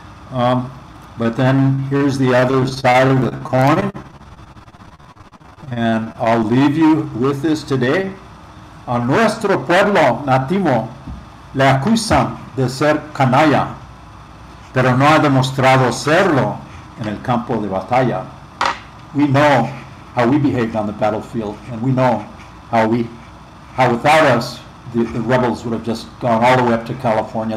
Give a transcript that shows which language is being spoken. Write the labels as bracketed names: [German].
[English] But then here's the other side of the coin. And I'll leave you with this today. [Spanish] A nuestro pueblo nativo le acusan de ser canalla. pero no ha demostrado serlo en el campo de batalla. [English] We know how we behaved on the battlefield, and we know how without us, the rebels would have just gone all the way up to California.